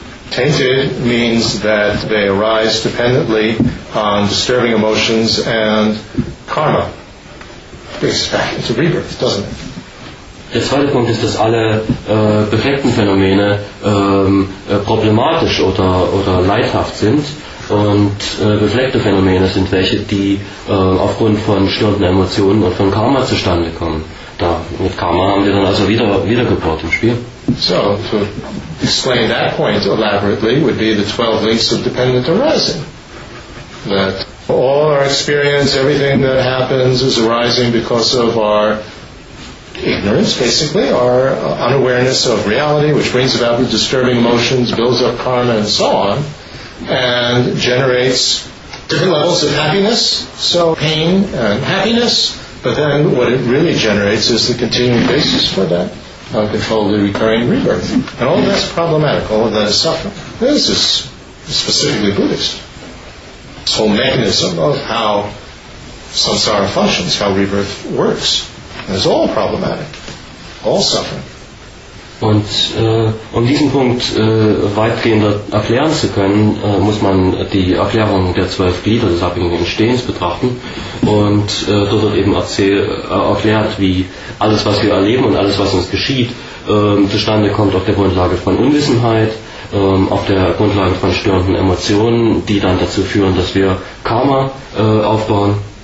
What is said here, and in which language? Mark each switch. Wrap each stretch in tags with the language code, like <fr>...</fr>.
<en>Tainted means that they arise dependently on disturbing emotions and karma. It's back into rebirth, doesn't it?</en> <de>Der zweite Punkt ist, dass alle perfekten Phänomene problematisch oder leidhaft sind. Und befleckte Phänomene sind welche, die aufgrund von störenden Emotionen und von Karma zustande kommen. Da, mit Karma haben wir dann also Wiedergeburt im Spiel.</de> <en>So, to explain that point elaborately would be the 12 links of dependent arising. That all our experience, everything that happens is arising because of our ignorance, basically, our unawareness of reality, which brings about the disturbing emotions, builds up karma and so on, and generates different levels of happiness, so pain and happiness, but then what it really generates is the continuing basis for that uncontrollably recurring rebirth. And all of that's problematic, all of that is suffering. This is specifically Buddhist. This whole mechanism of how samsara functions, how rebirth works, is all problematic, all suffering.</en> <de>Und um diesen Punkt weitgehender erklären zu können, muss man die Erklärung der 12 Glieder des abhängigen Entstehens betrachten. Und dort wird eben erklärt, wie alles, was wir erleben und alles, was uns geschieht, zustande kommt auf der Grundlage von Unwissenheit, auf der Grundlage von störenden Emotionen, die dann dazu führen, dass wir Karma aufbauen.</de>